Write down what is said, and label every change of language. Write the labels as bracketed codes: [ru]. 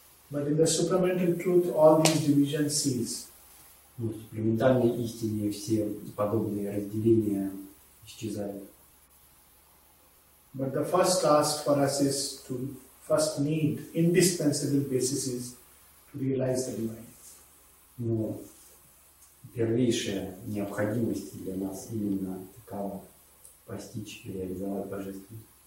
[en] But in the supramental truth, all these divisions cease. [ru] Но в суперментальной истине все подобные разделения исчезают. [en] But the first task for us is to first need indispensable basis to realize the divine. [ru] Но первейшая необходимость для нас именно такова – постичь и реализовать божественность.